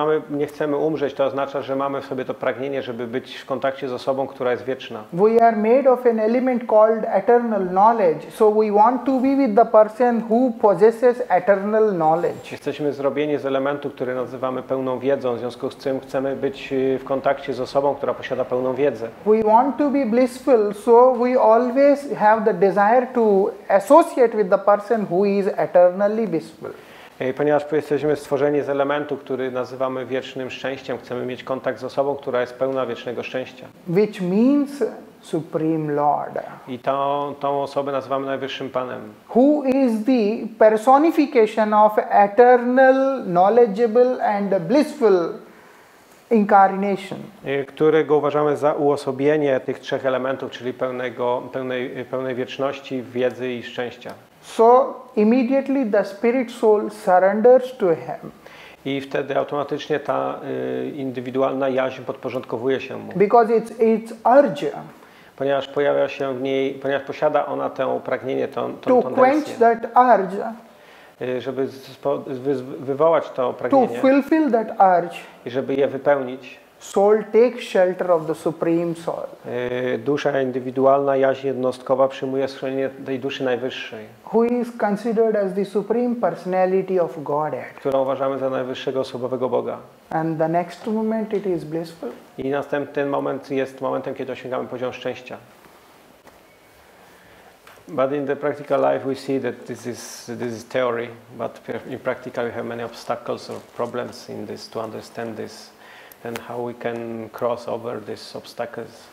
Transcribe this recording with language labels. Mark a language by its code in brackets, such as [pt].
[pl] Nie chcemy umrzeć, to oznacza, że mamy w sobie to pragnienie, żeby być w kontakcie z osobą, która jest wieczna. [en] We are made of an element called eternal knowledge, so we want to be with the person who possesses eternal knowledge. [pl] Jesteśmy zrobieni z elementu, który nazywamy pełną wiedzą, w związku z czym chcemy być w kontakcie z osobą, która posiada pełną wiedzę. [en] We want to be blissful, so we always have the desire to associate with the person who is eternally blissful. [pl] Ponieważ jesteśmy stworzeni z elementu, który nazywamy wiecznym szczęściem, chcemy mieć kontakt z osobą, która jest pełna wiecznego szczęścia. [en] Which means Supreme Lord. [pl] I tą osobę nazywamy Najwyższym Panem. [en] Who is the personification of eternal, knowledgeable and blissful incarnation. [pl] Którego uważamy za uosobienie tych trzech elementów, czyli pełnej wieczności, wiedzy i szczęścia. [en] So immediately the spirit soul surrenders to him. [pl] I wtedy automatycznie ta indywidualna jaźń podporządkowuje się mu. [en] Because it's urge. [pl] Ponieważ pojawia się w niej, ponieważ posiada ona to pragnienie, tą tendencję. [en] To quench that urge. [pl] Żeby wywołać to pragnienie. [en] To fulfill that urge. [pl] I żeby je wypełnić. [en] Soul takes shelter of the Supreme Soul. [pl] Dusza indywidualna, jaźń jednostkowa przyjmuje schronienie tej duszy najwyższej. [en] Who is considered as the Supreme Personality of Godhead. [pl] Którą uważamy za najwyższego osobowego Boga. [en] And the next moment it is blissful. [pl] I następny moment jest momentem, kiedy osiągamy poziom szczęścia. [en] But in the practical life we see that this is theory, but in practical we have many obstacles or problems in this to understand this. And how we can cross over these obstacles.